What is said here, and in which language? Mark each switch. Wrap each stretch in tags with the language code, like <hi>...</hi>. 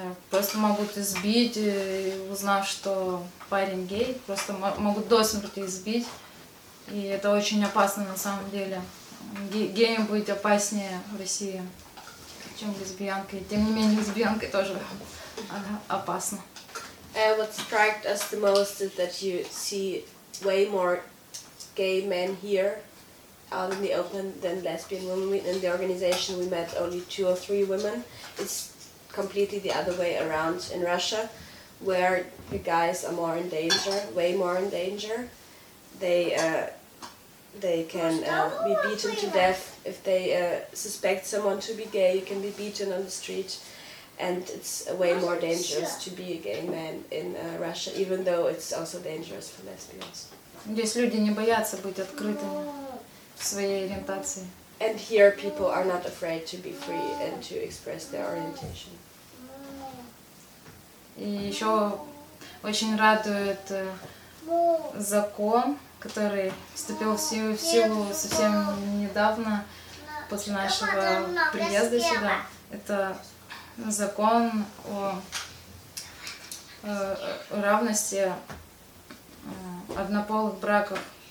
<ru>Просто могут избить, узнав, что парень гей, просто могут до смерти избить. И это очень опасно на самом деле. Геям будет опаснее в России, чем лесбиянкой. Тем не менее, лесбиянкой тоже.</ru> <en>What struck us the most is that you see way more gay men here out in the open than lesbian women. In the organization we met only 2 or 3 women. It's completely the other way around in Russia, where the guys are more in danger, way more in danger. They can be beaten to death. If they suspect someone to be gay, you can be beaten on the street. And it's way more dangerous to be a gay man in Russia, even though it's also dangerous for lesbians.</en> <ru>Здесь люди не боятся быть открытыми в своей ориентации.</ru> <en>And here people are not afraid to be free and to express their orientation.</en> <ru>И еще очень радует закон, который вступил в силу совсем недавно после нашего приезда сюда. Это закон о равности однополых браков.</ru>